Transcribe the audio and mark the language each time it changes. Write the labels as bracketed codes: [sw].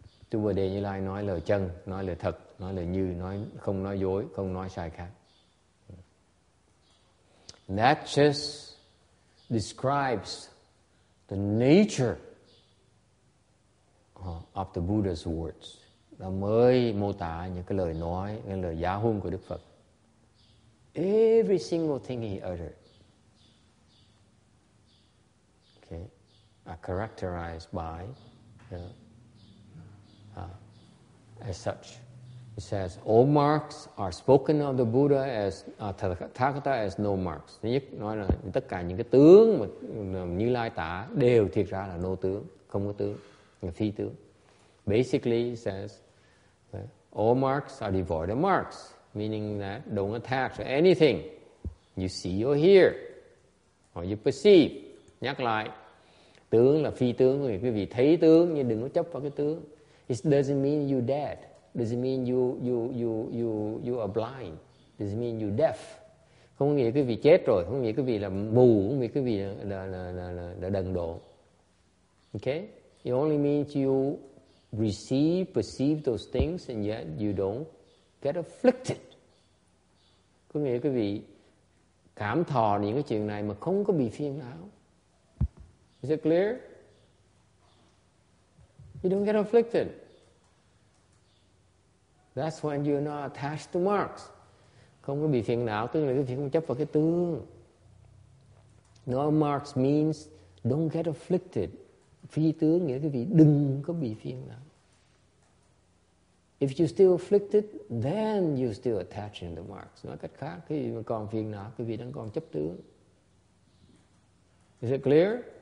[vi] Tu Bồ Đề Như Lai nói lời chân, nói lời thật, nói lời như, nói không nói dối, không nói sai khác. [en] That just describes the nature of the Buddha's words. [vi] Nó mới mô tả những cái lời nói, cái lời giáo huấn của Đức Phật. [en] Every single thing he uttered, okay, are characterized by, as such. It says, all marks are spoken of the Buddha as, Tathagata as no marks. [vi] Thứ nhất, nói là tất cả những cái tướng mà Như Lai tả đều thiệt ra là no tướng, không có tướng, là phi tướng. [en] Basically, it says, all marks are devoid of marks, meaning that don't attach to anything you see or hear or you perceive. [vi] Nhắc lại, tướng là phi tướng, thì quý vị thấy tướng nhưng đừng có chấp vào cái tướng. [en] It doesn't mean you're dead. Doesn't mean you are blind. Doesn't mean you're deaf. [vi] Không nghĩa quý vị chết rồi, không nghĩa quý vị là mù, không nghĩa quý vị là đần độn. [en] Okay? It only means you receive, perceive those things and yet you don't get afflicted. [vi] Có nghĩa quý vị cảm thọ những cái chuyện này mà không có bị phiền não. [en] Is it clear? You don't get afflicted. That's when you're not attached to marks. [vi] Không có bị phiền não, tức là quý vị không chấp vào cái tướng. [en] No marks means don't get afflicted. [vi] Phi tướng nghĩa quý vị đừng có bị phiền não. [en] If you're still afflicted, then you're still attaching the marks. [vi] Nói cách khác, quý vị còn phiền não, quý vị đang còn chấp tướng. [en] Is it clear?